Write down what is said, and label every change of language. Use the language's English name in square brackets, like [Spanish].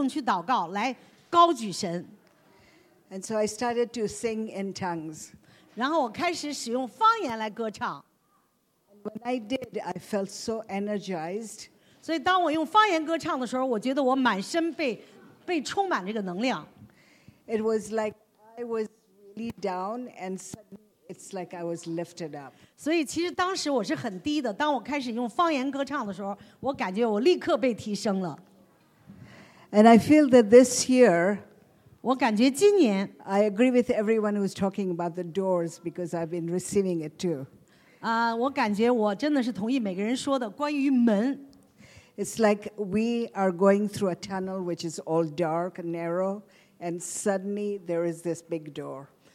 [Chinese] 然后是在这个灵里面去祷告，然后在悟性中去祷告，来高举神。 [English] And so I started to sing in tongues. [Chinese] 然后我开始使用方言来歌唱。 [English] When I did, I felt so energized. [Chinese] 所以当我用方言歌唱的时候，我觉得我满身被充满这个能量。 [English] It was like I was really down and suddenly it's like I was lifted up. [Chinese] 所以其实当时我是很低的，当我开始用方言歌唱的时候，我感觉我立刻被提升了。 [English] And I feel that this year, [Chinese] 我感觉今年, [English] I agree with everyone who's talking about the doors because I've been receiving it too. [Chinese] 我感觉我真的是同意每个人说的关于门。 [English] It's like we are going through a tunnel which is all dark and narrow, and suddenly there is this big door.